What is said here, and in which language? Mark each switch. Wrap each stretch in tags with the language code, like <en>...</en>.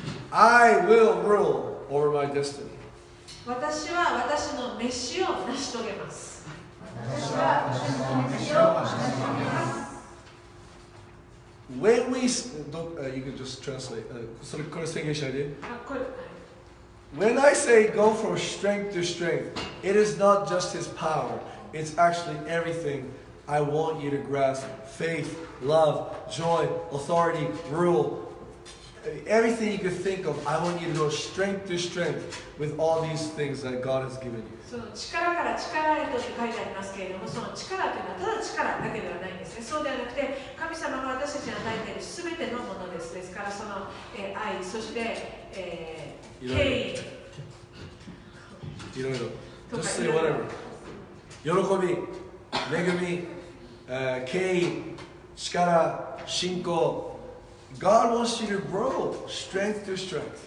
<en>I will rule over my destiny.</en> <ja>私は私の召しを成し遂げます。私は私の召しを成し遂げます。</ja> <en>When we you can just translate.</en> <ja>それこれ宣言したいで。</ja> <en>When I say go from strength to strength, it is not just his power. It's actually everything I want you to grasp. Faith, love, joy, authority, rule. Everything you could think of, I want you to go strength to strength with all these things that God has given you.</en> <ja>その力から力へとって書いてありますけれども、その力というのはただ力だけではないんですね。そうではなくて、神様が私たちに与えている全てのものです。ですから、その愛、そして、敬意。いろいろ。</ja> <en>Just say whatever.</en> <ja>喜び、恵み、敬意、力、信仰、</ja> <en>God wants you to grow strength to strength.</en>